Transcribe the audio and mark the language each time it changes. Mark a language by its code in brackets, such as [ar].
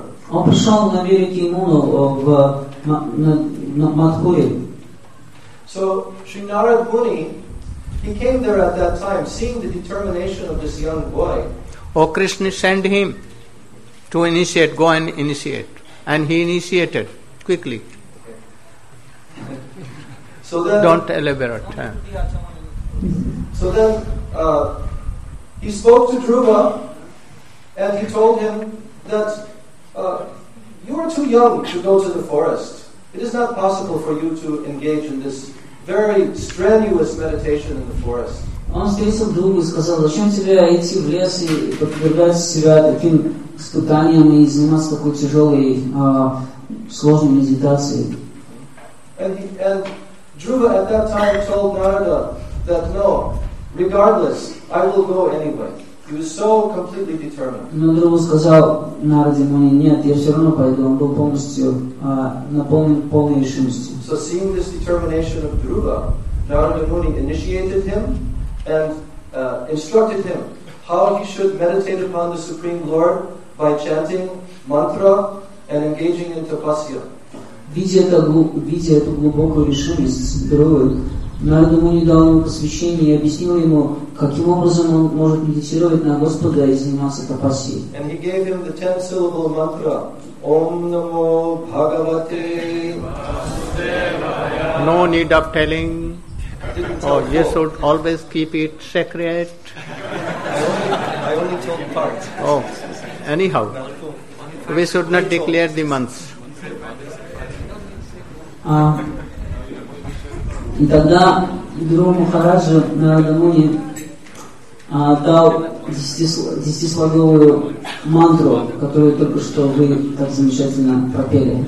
[ru] Он пришел на берег Ямуны в Матхуре. [en] So Shri Narad Muni, he came there at that time, seeing the determination of this young boy. Oh, Krishna sent him to initiate, go and initiate, and he initiated quickly. So then, don't elaborate. So then, he spoke to Dhruva, and he told him that you are too young to go to the forest. It is not possible for you to engage in this very strenuous meditation in the forest. [ru] Он встретил Дхруву и сказал, зачем тебе идти в лес и подвергать себя таким испытаниям и заниматься такой тяжелой, сложной медитацией. [en] And Dhruva at that time told Narada that no, regardless, I will go anyway. He was so completely determined. [ru] Но Дхрува сказал Нараде Муни, нет, я все равно пойду. Он был полностью наполнен полной решимостью. [en] So seeing this determination of Dhruva, Narada Muni initiated him and instructed him how he should meditate upon the Supreme Lord by chanting mantra and engaging in tapasya. [ru] Видя эту глубокую решимость Дхрувы, Нарада Муни дал ему посвящение и объяснил ему, каким образом он может медитировать на Господа и заниматься тапасией. [en] And he gave him the 10-syllable mantra. [sa] Om Namo Bhagavate Vasudevaya. [en] No need of telling. You should always keep it secret. I only told part. Oh, anyhow. We should not declare the months. [ru] И тогда Дхрува Махараджа Нарада Муни дал 10-слоговую мантру, которую только что вы так замечательно пропели.